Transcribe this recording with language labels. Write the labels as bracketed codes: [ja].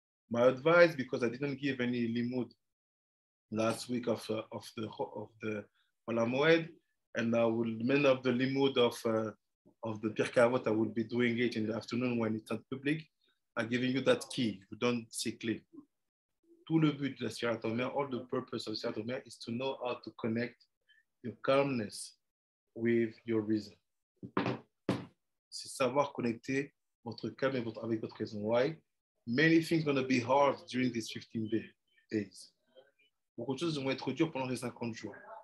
[en] My advice, because I didn't give any limud last week of the Hol HaMoed, and I will mend up the limud of the Pirkei Avot. I will be doing it in the afternoon when it's not public. I'm giving you that key. You don't see clear. [fr] Tout le but de la Sfirat HaOmer, [en] all the purpose of Sfirat HaOmer is to know how to connect your calmness with your reason. [fr] C'est savoir connecter votre calme et votre, avec votre raison. [en] Why? Many things are going to be hard during these 15 days. [fr] Beaucoup de choses vont être dures pendant les 50 jours.